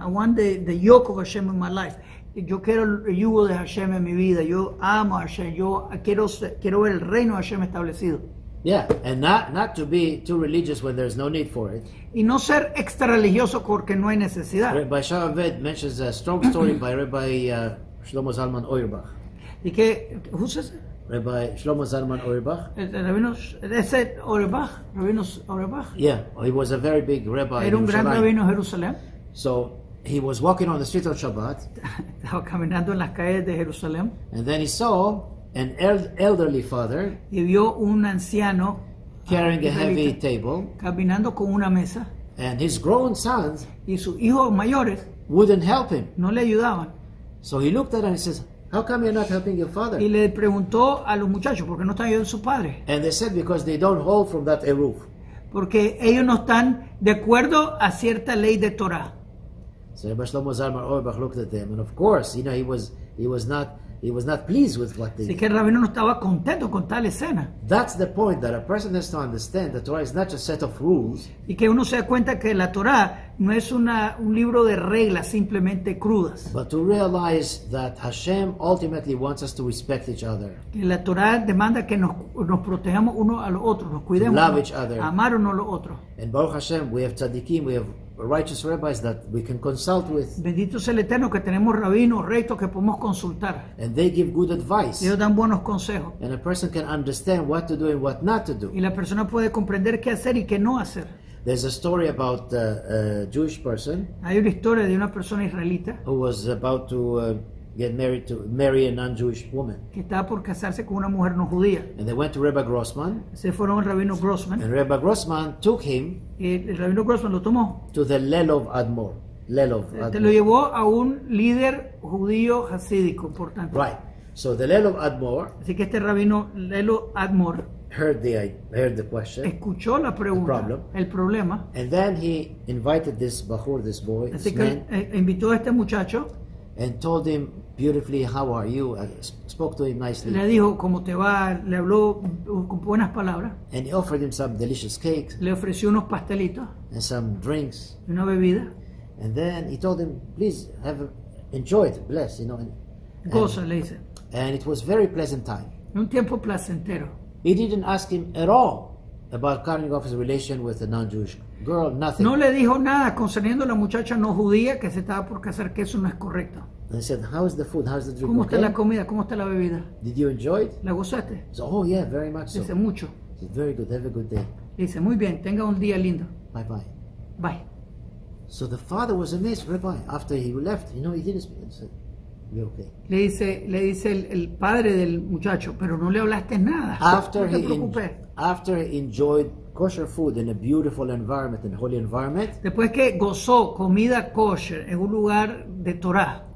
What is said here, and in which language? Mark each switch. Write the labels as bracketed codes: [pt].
[en] I want the yoke of Hashem in my life. [es] Yo quiero el yugo de Hashem en mi vida. Yo amo a Hashem. Yo quiero ver el reino de Hashem establecido. [en] Yeah, and not to be too religious when there's no need for it. [es] Y no ser extra religioso porque no hay necesidad. [en] Rabbi Shalom Ved mentions a strong story by Rabbi Shlomo Zalman Auerbach. [es] ¿Y qué? [en] ¿Who's this? Rabbi Shlomo Zalman Auerbach. Rabbi Auerbach. Yeah, he was a very big rabbi. [es] Era un gran rabino en Jerusalén. [en] So he was walking on the street on Shabbat. [es] Estaba caminando en las calles de Jerusalén. [en] And then he saw an elderly father. [es] Y vio un anciano [en] carrying a heavy table. [es] Caminando con una mesa. [en] And his grown sons. [es] Y sus hijos mayores. [en] Wouldn't help him. [es] No le ayudaban. [en] So he looked at him and he says, "How come you're not helping your father?" [es] Y le preguntó a los muchachos, ¿por qué no están ayudando a su padre? [en] And they said, "Because they don't hold from that eruv." [es] Porque ellos no están de acuerdo a cierta ley de Torah. [en] So Rabbi Shlomo Zalman Auerbach looked at them, and of course, you know, he was not pleased with what they did. [es] Así que el rabino no estaba contento con tal escena. [en] That's the point that a person has to understand that Torah is not just a set of rules. [es] Y que uno se da cuenta que la Torah no es un libro de reglas simplemente crudas. [en] But to realize that Hashem ultimately wants us to respect each other. [es] Que la Torah demanda que nos protejamos uno a los otros, nos cuidemos. [en] Love each other. [es] Amar uno a los otros. [en] And Baruch Hashem, we have tzaddikim, we have righteous rabbis that we can consult with. [es] Bendito sea el Eterno que tenemos rabinos rectos que podemos consultar. [en] And they give good advice. [es] Ellos dan buenos consejos. [en] And a person can understand what to do and what not to do. [es] Y la persona puede comprender qué hacer y qué no hacer. [en] There's a story about a Jewish person. [es] Hay una historia de una persona israelita. [en] Who was about to get married to marry a non-Jewish woman. [es] Que estaba por casarse con una mujer no judía. [en] And they went to Rabbi Grossman. [es] Se fueron al rabino Grossman. [en] And Rabbi Grossman took him. [es] El rabino Grossman lo tomó. [en] To the Lelov Admor. Lelov Admor. [es] Te lo llevó a un líder judío hasídico importante. [en] Right. So the Lelov Admor. [es] Así que este rabino Lelov Admor. [en] Heard the question. [es] Escuchó la pregunta. [en] The problem. [es] El problema. [en] And then he invited this bachur, this boy. [es] Así que invitó a este muchacho. [en] And told him beautifully, "How are you?" I spoke to him nicely. [es] Le dijo cómo te va. Le habló con buenas palabras. [en] And he offered him some delicious cake. [es] Le ofreció unos pastelitos. [en] And some drinks. [es] Una bebida. [en] And then he told him, please have enjoy it, bless, you know. [es] Goza, le dice. [en] And it was very pleasant time. [es] Un tiempo placentero. [en] He didn't ask him at all about cutting off his relation with a non-Jewish girl, nothing. [es] No le dijo nada concerniendo la muchacha no judía que se estaba por casar, que eso no es correcto. [en] And he said, how is the food? How is the drink? [es] ¿Cómo está la comida? ¿Cómo está la bebida? [en] Did you enjoy it? [es] ¿La gozaste? [en] So, oh yeah, very much so. [es] Dice mucho. [en] It's very good. Have a good day. [es] Dice muy bien. Tenga un día lindo. [en] Bye bye. Bye. So the father was amazed, Rabbi. After he left, you know, he didn't speak. He said, "You're okay." [es] Le dice el padre del muchacho, pero no le hablaste nada. [en] After [es] no [en] he after he enjoyed kosher food in a beautiful environment, in a holy environment. [es] Después que gozó comida kosher en un lugar de Torah.